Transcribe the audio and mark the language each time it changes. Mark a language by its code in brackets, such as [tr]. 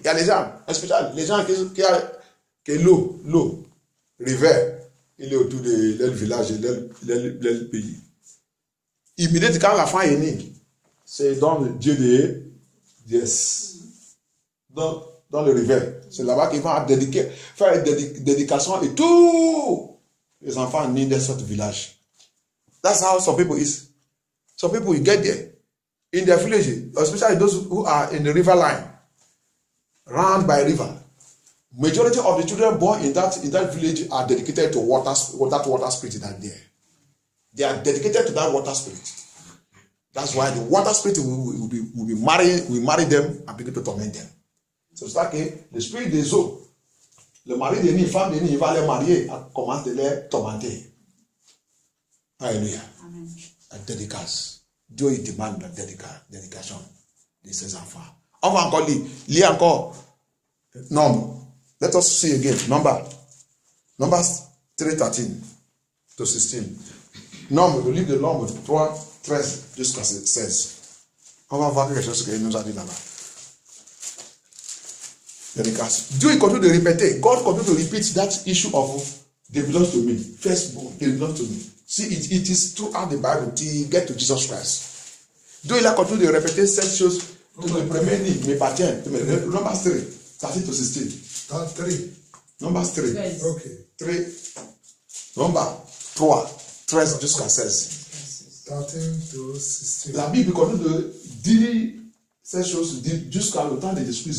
[fr] Il y a les gens, en spécial, les gens qui ont l'eau, river, il est autour de leur village et leur pays. Immédiatement, quand l'enfant est né, c'est dans le Dieu de Dieu. Donc, dans le river, c'est là-bas qu'ils vont dédiquer, faire une dédication et tout. Les enfants nés dans ce village. [en] That's how some people is. Some people get there in their village, especially those who are in the river line, round by river. Majority of the children born in that village are dedicated to water, that water spirit that there. They are dedicated to that water spirit. That's why the water spirit will marry them and begin to torment them. [fr] So c'est ça que le spirit des eaux, le mari de nuit, femme de nuit, il va les marier à commencer à les tormenter. Alléluia. Amen. La dédicace. Dieu, il demande la dédication de ses enfants. On va encore lire. Lire encore. Nombre. [en] Let us see again. Number. Numbers 3:13 to 16. Nombre. [fr] Le livre de Nombre 3:13 jusqu'à 16. On va voir quelque chose qu'il nous a dit là-bas. Dédicace. Dieu, il continue de répéter. [en] God continue to repeat that issue of they belong to me. First of all, they belong to me. See, it is throughout the Bible till you get to Jesus Christ. [fr] Dieu, il a continué de répéter cette chose. Tout le premier dit, mais pas tiens. [en] Numbers 3, 13 to 16. Numbers 3. [fr] Ok. 3. Numbers 3, 13 jusqu'à 16. [en] 13 to 16. [fr] La Bible continue de dire cette chose jusqu'à le temps de l'Esprit.